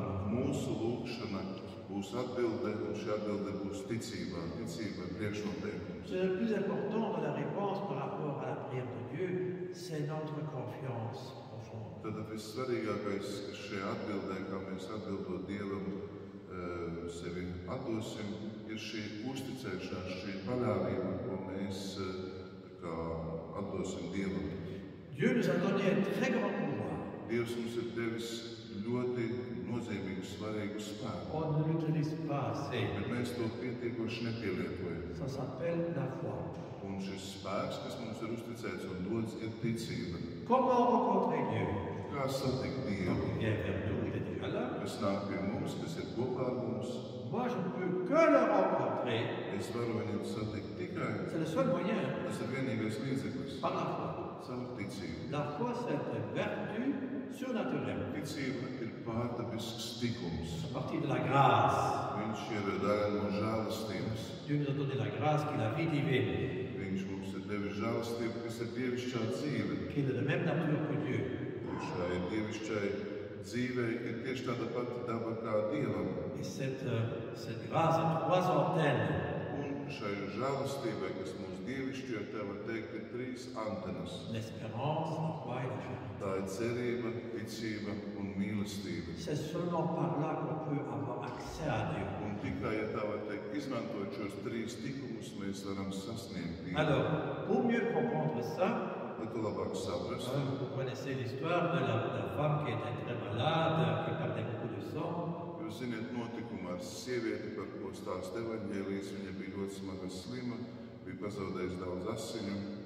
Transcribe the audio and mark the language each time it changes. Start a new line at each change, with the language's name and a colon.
Latvian: mūsu lūkšana būs atbilde, un šī atbilde būs ticībā, ticība priekšnoteikums.
French: C'est le plus important de la réponse par rapport à la prière de Dieu, c'est notre confiance profonde.
Latvian: Tad vissvarīgākais šajā atbildē, kā mēs atbildot Dievam, sevi atdosim, ir šī uzticēšanās, šī paļāvība, ko mēs kā atdosim Dievam.
French: Dieu nous a donné un très grand pouvoir.
Latvian: Dievs mums ir devis ļoti nozīmīgu, svarīgu spēku. Bet mēs to pietiekoši nepielietojam. Un šis spēks, kas mums ir uzticēts un dots, ir ticība. Kā satikt Dievu? Kas nāk pie mums, kas ir kopā ar mums? Es varu viņu satikt tikai. Tas ir vienīgais līdzeklis. Savu ticību.
French: La foi, c'est une vertu surnaturelle.
Latvian: Ticība ir pārdabisks tikums.
French: À partir de la grâce.
Latvian: Viņš ir daļa no žēlastības.
French: Dieu nous a donné la grâce qui la vie divine.
Latvian: Viņš mums ir devis žēlastību, kas ir dievišķā dzīve.
French: Qui est de même nature que Dieu.
Latvian: Šai dievišķai dzīvei ir tieši tāda pati daba kā Dievam.
French: Et cette grâce a trois antennes.
Latvian: Un šai žēlastībai, kas mums dievišķi, ja tev var teikt, ir trīs antenas.
French: L'espérance, la foi, la charité.
Latvian: Tā ir cerība, ticība un mīlestība.
French: C'est seulement par là qu'on peut avoir accès à Dieu.
Latvian: Un tikai, ja tev var teikt, izmantojot šos trīs tikumus, mēs varam sasniegt Dievu.
French: Alors, pour mieux comprendre ça,
Latvian: lai tu labāk saprast.
French: Vous connaissez l'histoire de la femme qui était très malade, qui perdait beaucoup de sang.
Latvian: Jūs ziniet notikumu ar sievieti, par ko stāst evaņģēlijas, viņa bija ļoti smaga slima, bija pazaudējis daudz asiņu.